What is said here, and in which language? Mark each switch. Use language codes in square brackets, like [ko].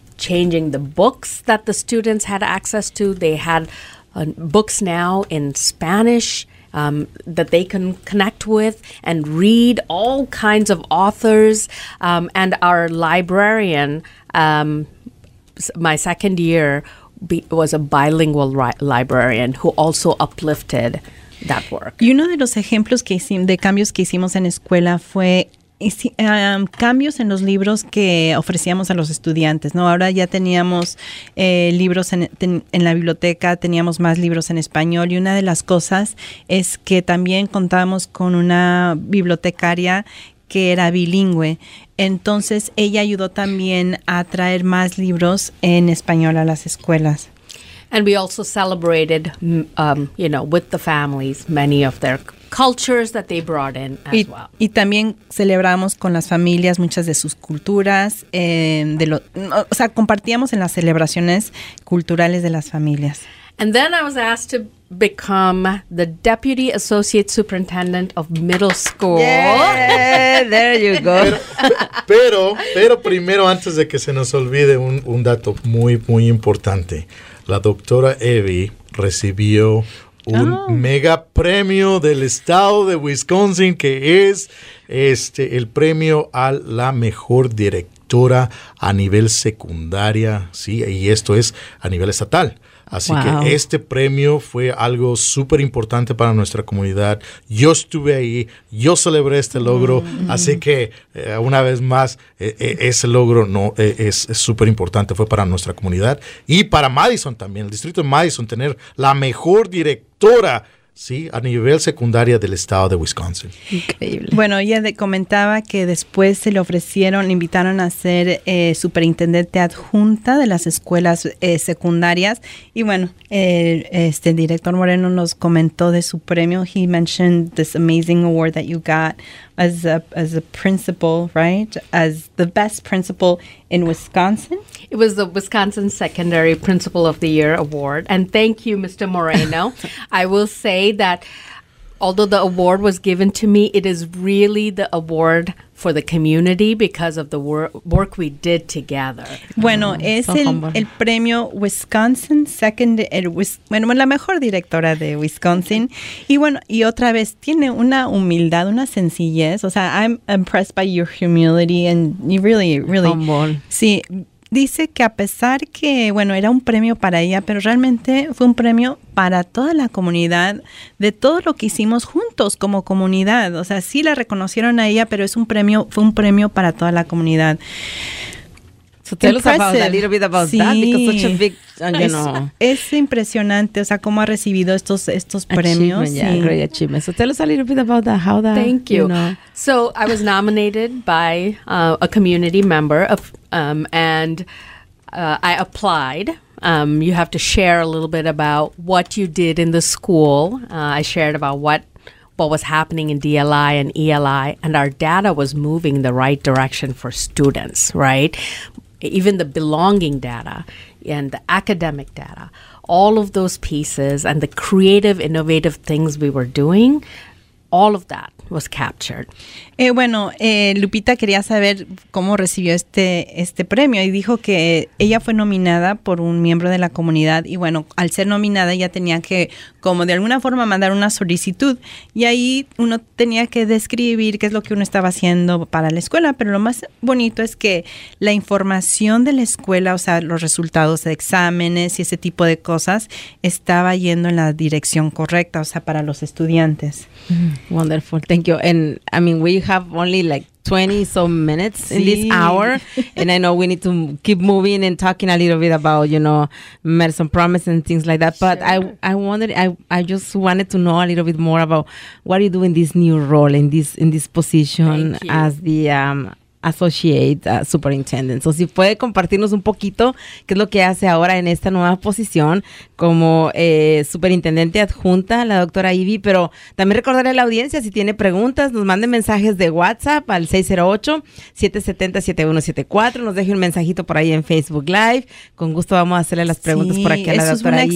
[en] Changing the books that the students had access to. They had books now in Spanish that they can connect with and read all kinds of authors. And our librarian, my second year, was a bilingual librarian who also uplifted that work. [es] Y uno de los ejemplos que hicimos, de cambios que hicimos en escuela fue cambios en los libros que ofrecíamos a los estudiantes, ¿no? Ahora ya teníamos libros en la biblioteca, teníamos más libros en español, y una de las cosas es que también contábamos con una bibliotecaria que era bilingüe. Entonces, ella ayudó también a traer más libros en español a las escuelas. [en] And we also celebrated, you know, with the families, many of their cultures that they brought in as well. [es] Y también celebramos con las familias muchas de sus culturas, o sea, compartíamos en las celebraciones culturales de las familias. [en] And then I was asked to become the Deputy Associate Superintendent of Middle School. Yeah, there you go. [es] Pero primero, antes de que se nos olvide, un dato muy, muy importante. La doctora Evi recibió un mega premio del estado de Wisconsin, que es el premio a la mejor directora a nivel secundaria, sí, y esto es a nivel estatal. Así que este premio fue algo súper importante para nuestra comunidad. Yo estuve ahí, yo celebré este logro, así que una vez más, ese logro es súper importante, fue para nuestra comunidad y para Madison también, el distrito de Madison, tener la mejor directora, sí, a nivel secundaria del estado de Wisconsin. Increíble. Bueno, ella comentaba que después se le ofrecieron, le invitaron a ser superintendente adjunta de las escuelas secundarias. Y bueno, el director Moreno nos comentó de su premio. [en] He mentioned this amazing award that you got as a principal, right? As the best principal in Wisconsin. It was the Wisconsin Secondary Principal of the Year Award. And thank you, Mr. Moreno. I will say that although the award was given to me, it is really the award for the community because of the work we did together. [es] Bueno, es el premio Wisconsin Second, la mejor directora de Wisconsin. Y bueno, y otra vez, tiene una humildad, una sencillez. O sea, [en] I'm impressed by your humility and you really, really. Humble. [es] Sí. Dice que a pesar que, bueno, era un premio para ella, pero realmente fue un premio para toda la comunidad de todo lo que hicimos juntos como comunidad. O sea, sí la reconocieron a ella, pero fue un premio para toda la comunidad. [en] So tell us about a little bit about that, because such a big, [es] Es impresionante, o sea, cómo ha recibido estos premios. [en] Achievement, great achievement. So tell us a little bit about that, how that, thank you. So I was nominated by a community member, and I applied. You have to share a little bit about what you did in the school. I shared about what was happening in DLI and ELI, and our data was moving in the right direction for students, right? Even the belonging data and the academic data, all of those pieces and the creative, innovative things we were doing, all of that was captured. [es] Lupita quería saber cómo recibió este premio y dijo que ella fue nominada por un miembro de la comunidad y bueno, al ser nominada ella tenía que como de alguna forma mandar una solicitud y ahí uno tenía que describir qué es lo que uno estaba haciendo para la escuela, pero lo más bonito es que la información de la escuela, o sea, los resultados de exámenes y ese tipo de cosas estaba yendo en la dirección correcta, o sea, para los estudiantes. [en] Wonderful, thank you. And I mean, we have only like 20 some minutes in this hour, and I know we need to keep moving and talking a little bit about, you know, Medicine Promise and things like that. Sure. But I just wanted to know a little bit more about what you do in this new role, in this position as the associate superintendent. [es] So, si puede compartirnos un poquito qué es lo que hace ahora en esta nueva posición como superintendente adjunta, la doctora Ivy, pero también recordarle a la audiencia, si tiene preguntas, nos mande mensajes de WhatsApp al 608-770-7174, nos deje un mensajito por ahí en Facebook Live, con gusto vamos a hacerle las preguntas por aquí a la doctora Ivy.